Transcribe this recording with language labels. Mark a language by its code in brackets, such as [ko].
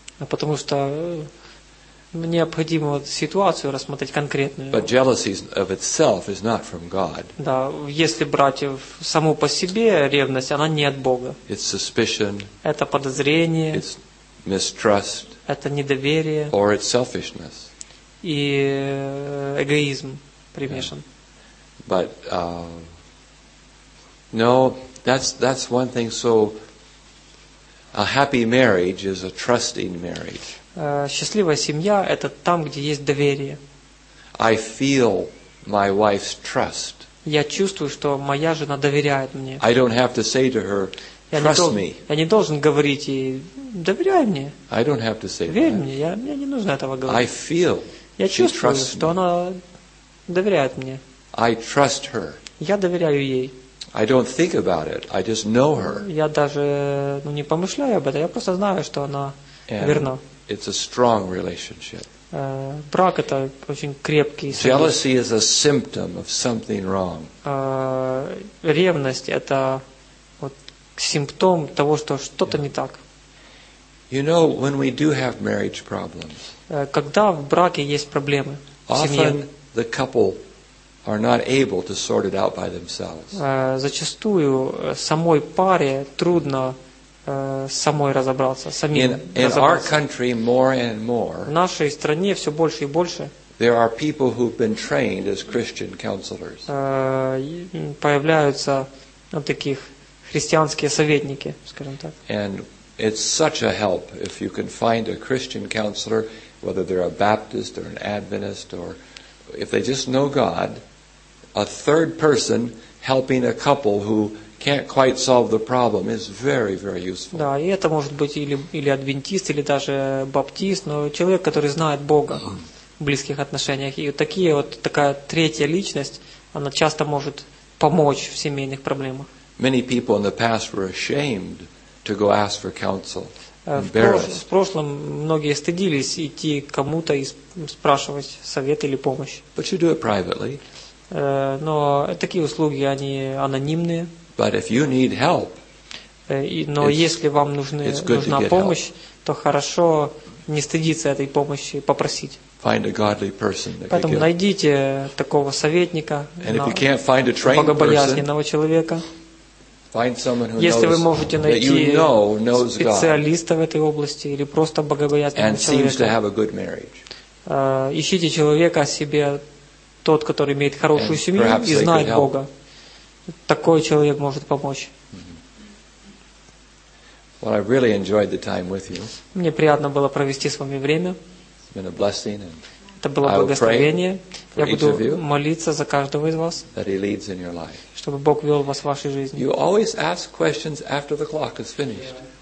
[ru] Потому что необходимо ситуацию рассмотреть конкретную. [en] But jealousy of itself is not from God. [ru] Да, если брать саму по себе ревность, она не от Бога. [en] It's suspicion. [ru] Это подозрение. [en] It's mistrust. [ru] Это недоверие. [en] Or it's selfishness. [ru] И эгоизм примешан. Yeah. [en] But no, that's one thing. So a happy marriage is a trusting marriage. [ru] Счастливая семья – это там, где есть доверие. [en] I feel my wife's trust. [ru] Я чувствую, что моя жена доверяет мне. [en] I don't have to say to her, trust me. [ru] Я не должен говорить ей, доверяй мне. [en] I don't have to say [ru] верь мне, мне не нужно этого говорить. [en] I feel [ru] я чувствую, что [en] me. [ru] Она доверяет мне. [en] I trust her. [ru] Я доверяю ей. [en] I don't think about it, I just know her. [ru] Я даже не помышляю об этом, я просто знаю, что она верна. [en] It's a strong relationship. [ru] Брак – это очень крепкий союз. [en] Jealousy is a symptom of something wrong. [ru] Ревность – это симптом того, что что-то не так. [en] You know, when we do have marriage problems, [ru] когда в браке есть проблемы в семье, [en] often the couple are not able to sort it out by themselves. [ru] Зачастую самой паре трудно самой разобраться, самим разобраться. [en] In our country, more and more, [ru] в нашей стране все больше и больше [en] there are people who've been trained as Christian counselors. [ru] Появляются таких христианские советники, скажем так. [en] And it's such a help if you can find a Christian counselor, whether they're a Baptist or an Adventist, or if they just know God, a third person helping a couple who can't quite solve the problem is very, very useful. [ru] Да, и это может быть или адвентист, или даже баптист, но человек, который знает Бога в близких отношениях. И такая третья личность, она часто может помочь в семейных проблемах. [en] Many people in the past were ashamed to go ask for counsel. [ru] В прошлом многие стыдились идти кому-то и спрашивать совет или помощь. [en] But you do it privately. [ru] Но такие услуги, они анонимные. [en] But if you need help, [ru] но если вам нужна помощь, то хорошо не стыдиться этой помощи попросить. [en] Find a godly person. [ru] Поэтому найдите такого советника, богобоязненного человека. [en] Find someone who [ru] если [en] knows, [ru] вы можете найти [en] you know, knows [ru] специалиста [en] God, [ru] в этой области или просто богобоязненного человека. [en] Seems to have a good marriage. [ru] Ищите человека о себе, тот, который имеет хорошую [en] and [ru] семью и знает Бога. [en] Help. [ru] Такой человек может помочь. Mm-hmm. [en] Well, I really enjoyed the time with you. [ru] Мне приятно было провести с вами время. [en] It's been a blessing. [ru] Это было благословение. Я буду молиться за каждого из вас, чтобы Бог вел вас в вашей жизни. [en] You always ask questions after the clock is finished.